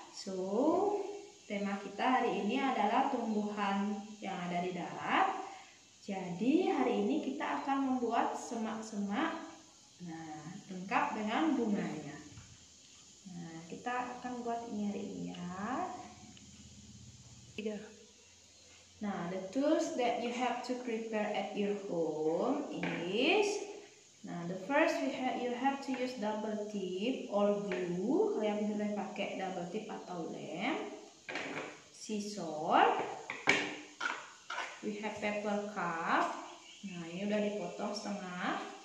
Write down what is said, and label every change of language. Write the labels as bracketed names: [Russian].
[Indonesian] So, tema kita hari ini adalah tumbuhan yang ada di darat. Jadi, hari ini kita akan membuat semak-semak. Nah, lengkap dengan bunganya. Nah, kita akan buat ini hari ini ya. [English] Nah, the tools that you have to prepare at your home is, nah, the first you have to use double tip or glue. [Indonesian] Kalian boleh pakai double tip atau lem. [English] Scissor. We have paper cup. [Indonesian] Nah, ini udah dipotong setengah.